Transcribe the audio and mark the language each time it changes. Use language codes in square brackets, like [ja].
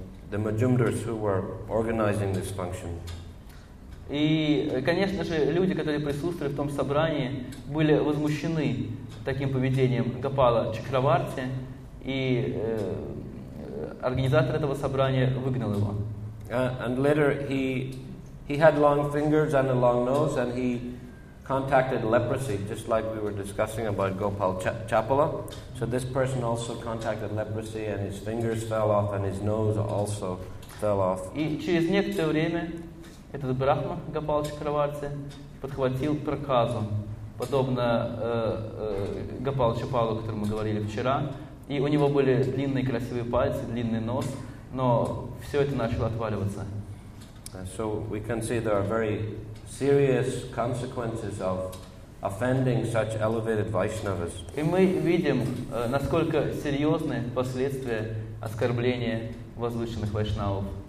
[en] the Majumdars who were organizing this function. [ru] И, конечно же, люди, которые присутствовали в том собрании, были возмущены таким поведением Гопала Чакраварти, и организатор этого собрания выгнал его. [en] And later he had long fingers and a long nose, and he contacted leprosy, just like we were discussing about Gopal Chapala. So this person also contacted leprosy, and his fingers fell off, and his nose also fell off. [ru] И через некоторое время этот брахма Гопал Чакраварти подхватил проказу, подобно Гопал Чапалу, о котором мы говорили вчера. И у него были длинные красивые пальцы, длинный нос, но все это начало отваливаться. [en] So we can see there are very serious consequences of offending such elevated Vaishnavas. [ru] И мы видим, насколько серьезны последствия оскорбления возвышенных вайшнавов.